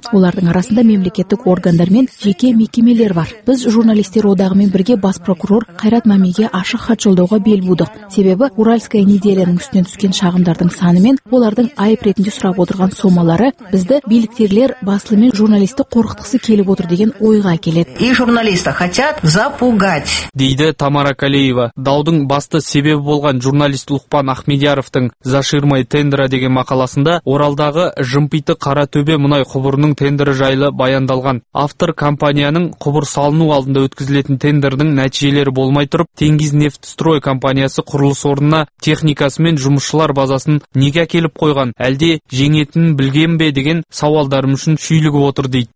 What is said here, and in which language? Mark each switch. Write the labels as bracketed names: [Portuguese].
[Kazakh] Олардың арасында мемлекеттік органдар мен жеке мекемелер бар. Біз журналистер одағымен бірге бас прокурор Қайрат Мәмиге ашық хат жолдауға бел будық. Себебі «Уральская неделя»ның үстінен түскен шағымдардың саны мен олардың айып ретінде сұрап отырған сомалары бізді биліктерлер басылымен журналисті қорқытқысы келіп отыр деген ойға әкеледі. [Russian] И журналиста хотят запугать. [Kazakh] Дейді Тамара Калеева. Даудың басты себебі болған журналист Лұқпан Ахмедияровтың «За ширмой тендера» деген мақаласында Оралдағы Жымпиты Қаратөбе мұнай құбырының тендері жайлы баяндалған. Автор компанияның құбыр салыну алдында өткізілетін тендердің нәтижелері болмай тұрып, Теңіз нефтстрой компаниясы құрылыс орнына техникасы мен жұмысшылар базасын неге әкеліп қойған, әлде жеңетінін білген бе деген сауалдарым үшін шүйлігіп отыр дейді.